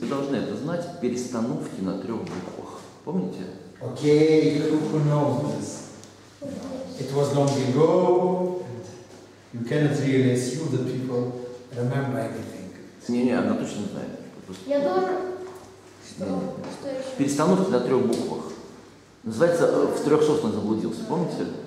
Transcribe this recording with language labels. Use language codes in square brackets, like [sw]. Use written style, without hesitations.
[ru] Вы должны это знать в перестановке на трех буквах. Помните? [en] Okay, who knows this? It was long ago, and you cannot really assume that people remember anything. [ru] Не, она точно знает. Просто... Я тоже. В перестановке на трех буквах. Называется «В трех соснах заблудился», помните?